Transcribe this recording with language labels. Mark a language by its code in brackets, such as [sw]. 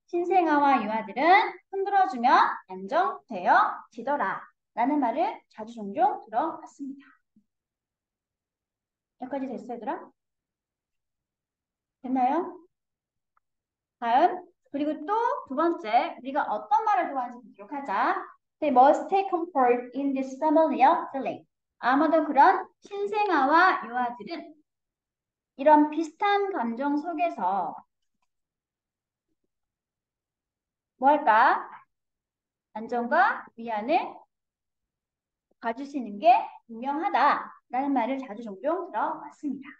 [ko] 신생아와 유아들은 흔들어주면 안정되어지더라 라는 말을 자주 종종 들어봤습니다. 여기까지 됐어요, 얘들아? 됐나요? 다음, 그리고 또두 번째, 우리가 어떤 말을 좋아하는지 기억하자. [en] They must take comfort in this familiar feeling. [ko] 아마도 그런 신생아와 유아들은 이런 비슷한 감정 속에서 뭘까? 안정과 위안을 가질 수 있는 게 분명하다라는 말을 자주 종종 들어봤습니다.